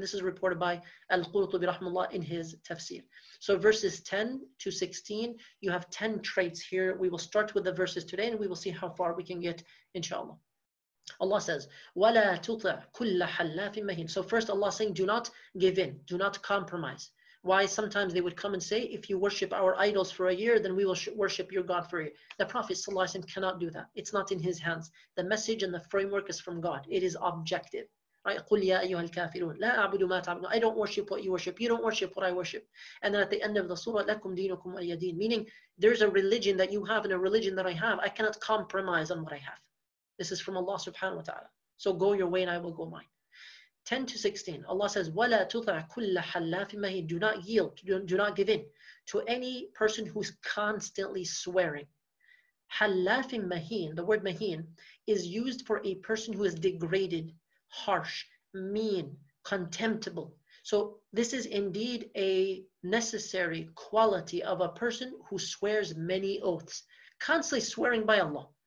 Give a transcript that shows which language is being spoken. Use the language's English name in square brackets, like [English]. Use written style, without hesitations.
[English] And this is reported by Al-Qurtubi rahimahullah in his tafsir. So verses 10 to 16, you have 10 traits here. We will start with the verses today and we will see how far we can get, inshallah. Allah says, [Arabic] وَلَا تُطَعْ كُلَّ حَلَّافٍ مَهِينٍ. [English] So first Allah saying, do not give in, do not compromise. Why? Sometimes they would come and say, if you worship our idols for a year, then we will worship your God for a year. The Prophet ﷺ cannot do that. It's not in his hands. The message and the framework is from God. It is objective. Right? [Arabic] قُلْ يَا أَيُّهَا الْكَافِرُونَ لَا أَعْبُدُ مَا تَعْبُدُونَ. [English] I don't worship what you worship. You don't worship what I worship. And then at the end of the surah, [Arabic] لَكُمْ دِينُكُمْ وَلِيَدِينَ. [English] Meaning, there's a religion that you have and a religion that I have. I cannot compromise on what I have. This is from Allah subhanahu wa ta'ala. So go your way and I will go mine. 10 to 16, Allah says, [Arabic] وَلَا تُطَعْ كُلَّ حَلَّافٍ مَهِينٍ. [English] Do not yield, do not give in to any person who's constantly swearing. [Arabic] حَلَّافٍ مَهِينٍ, [English] the word مَهِينٍ, is used for a person who is degraded, harsh, mean, contemptible. So this is indeed a necessary quality of a person who swears many oaths, constantly swearing by Allah.